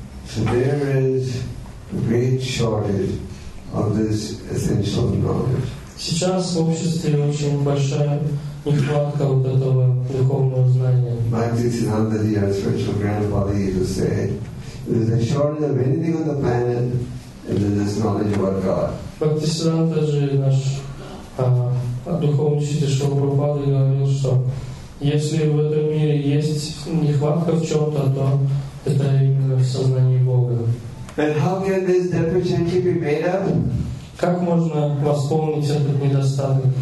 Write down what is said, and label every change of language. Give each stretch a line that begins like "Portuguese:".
English: So there is great shortage of this essential knowledge.
Russian: Сейчас в обществе очень большая нехватка вот этого духовного знания.
English: Bhakti Siddhanta Ji, our spiritual grandfather, used to say, there's a shortage of anything on the planet and there's this knowledge about God.
Russian: Bhakti Siddhanta Ji, наш духовный учитель, Шрила Прабхупада, говорил, что если в этом мире есть нехватка в чем-то, то это именно в сознании Бога.
English: And how can this deficiency be made up?
Russian: Как можно восполнить этот недостаток?